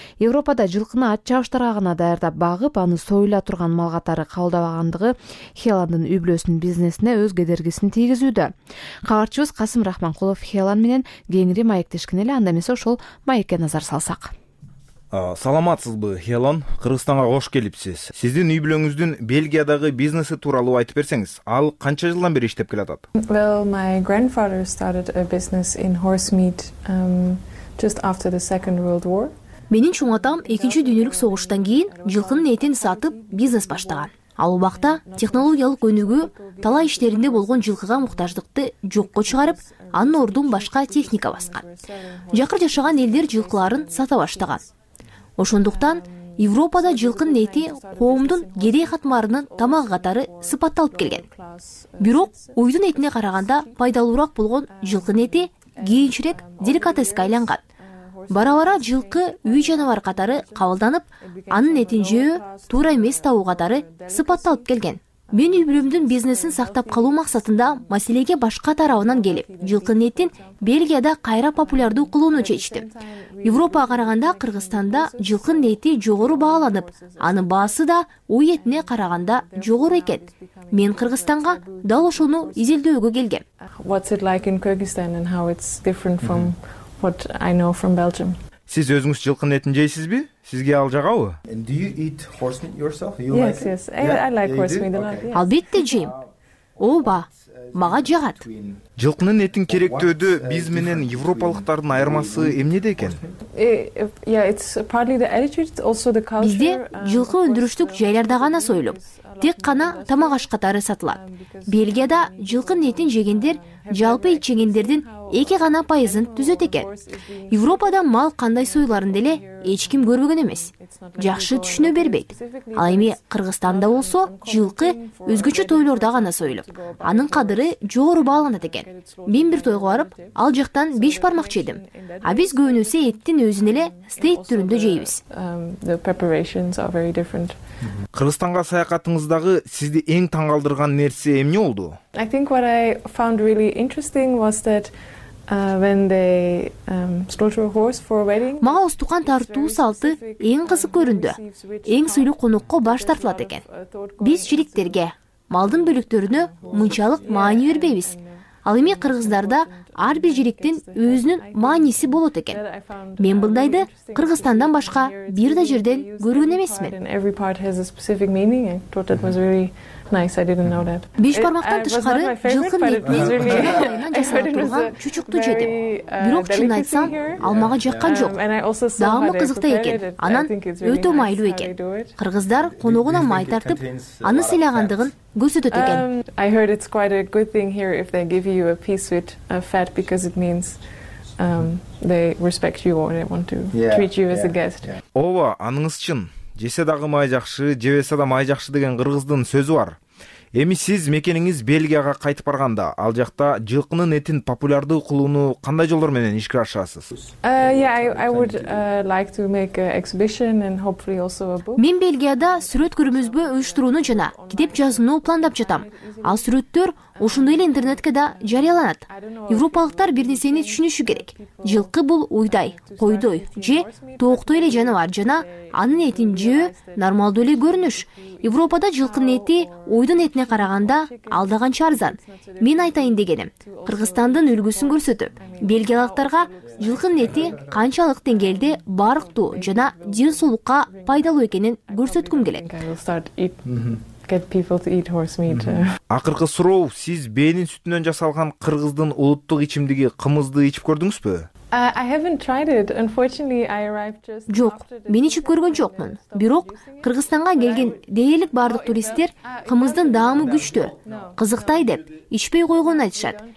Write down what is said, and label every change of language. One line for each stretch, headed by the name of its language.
Kyrgyz: Европада жылкыны ат чабыштарга гана даярдап багып, аны союла турган мал катары кабылдабагандыгы Хеландын үй бүлөсүнүн бизнесине өз кедергисин тийгизүүдө. Кабарчыбыз Касым Рахманкулов Хеланд менен кеңири маектешкен эле, анда эмесе ошол маекке назар салсак. Саламатсызбы, Хелон, Кыргызстанга кош келипсиз. Сиздин үй бүлөңүздүн Бельгиядагы бизнеси тууралуу айтып берсеңиз, ал канча жылдан бери иштеп келатат?
English: Well, my grandfather started a business in horse meat just after the Second World War.
Kyrgyz: Менин чоң атам 2-чү дүйнөлүк согуштан кийин жылкынын этин сатып бизнес баштаган. Ал убакта технологиялык өнүгүү талаа иштеринде болгон жылкыга муктаждыкты жокко чыгарып, анын ордун башка техника баскан. Жакыр жашаган элдер жылкыларын сата баштаган. Ошондуктан Европада жылкынын эти коомдун кедей катмарынын тамагы катары сыпатталып келген. Бирок уйдун этине караганда пайдалуураак болгон жылкынын эти кийинчерээк деликатеске айланган. Бара-бара жылкы үй жаныбары катары кабылданып, анын этин жөө туура эмес табуу катары сыпатталып келген. Мен үй бүлөмдүн бизнесин сактап калуу максатында маселеге башка тарабынан келип, жылкынын этин Бельгияда кайра популярдуу кылууну чечтим. Европага караганда Кыргызстанда жылкынын эти жогору бааланып, анын баасы да уй этине караганда жогору экен. Мен Кыргызстанга дал ошону изилдөөгө келгем.
English: What's it like in Kyrgyzstan and how it's different from what I know from Belgium?
Kyrgyz: Сиз өзүңүз жылкынын этин жейсизби? Сизге ал жагабы?
English: Do you eat horse meat yourself? You yes, like it? Yes. I like yeah, horse meat a lot.
Kyrgyz: Албетте жейм. Ооба, мага жагат. Жылкынын этин керектөөдө биз менен европалыктардын айырмасы эмнеде экен?
English: Yeah, it's partly the attitude, it's also the culture.
Kyrgyz: Бизде жылкы өндүрүштүк жайларда гана союлуп, тек кана тамак аш катары сатылат. Бельгияда жылкын этин жегендер жалпы ичкендердин 2% түзөт экен. Европада мал кандай сойуларын деле эч ким көрбөгөн эмес. Жакшы түшүнө бербейт. Ал эми Кыргызстанда болсо, жылкы өзгөчө тойлордо гана союлуп, анын кадыры жогору бааланат экен. Мен бир тойго барып, ал жактан 5 бармак жедим. А биз көбүнөсө эттин өзүн эле стейк түрүндө жейбиз. Кыргызстанга саякатыңыздагы сизди эң таң калтырган нерсе эмне болду?
English: I think what I found really interesting was that when they stole a horse for a wedding.
Kyrgyz: Мага устукан тартуу салты эң кызык көрүндү. Эң сүйлүк конокко баш тартылат экен. Биз жиликтерге, малдын бөлүктөрүнө мынчалык маани бербейбиз. Ал эми кыргыздарда ар бир жиликтин өзүнүн мааниси болот экен. Мен мындайды Кыргызстандан башка бир да жерден көргөн эмесмин.
English: Every part has a specific meaning. I thought that was really nice. I didn't know that.
Kyrgyz: Беш бармактан тышкары жылкы этинен жасалган чучукту жедим. Бирок чын айтсам, ал мага жаккан жок. Даамы кызыктуу экен. Анан өтө майлуу экен. Кыргыздар коногуна май тартып, аны сыйлагандыгын көрсөтөт экен.
English: I heard it's quite a good thing here if they give you a piece with fat because it means they respect you or they want to treat you as a guest.
Kyrgyz: Ова, аныңыз чын. Жесе дагы май жакшы, жебесе да май жакшы деген кыргыздын сөзү бар. Эми сиз мекениңиз Бельгияга кайтып барганда, ал жакта жылкынын этин популярдуу кылууну кандай жолдор менен ишке ашырасыз?
English: I would like to make an exhibition and hopefully also a book.
Kyrgyz: Мен Бельгияда сүрөт көрмөзбө уюштурууну жана китеп жазууну пландап жатам. Ал сүрөттөр ошондой эле интернетке да жарыяланат. Европалыктар бир нерсени түшүнүшү керек. Жылкы бул уйдай, койдой же тооктой эле жаныбар жана анын этин жөө нормалдуу эле көрүнүш. Европада жылкынын эти уйдун этине караганда алдаганча арзан. Мен айтайын дегеним, Кыргызстандын үлгүсүн көрсөтүп, бельгиялыктарга жылкынын эти канчалык деңгээлде барктуу жана ден соолукка пайдалуу экенин көрсөткүм келет.
English: Get people to eat horse meat.
Kyrgyz: Акыркы суроо, сиз бээнин сүтүнөн жасалган кыргыздын улуттук ичимдиги кымызды ичип көрдүңүзбү?
English: I haven't tried it. Unfortunately, I arrived just after this.
Kyrgyz: Жок, мен ичип көргөн жокмун. Бирок Кыргызстанга келген дээрлик бардык туристтер кымыздын даамы күчтүү, кызыктай деп ичпей койгонун айтышат.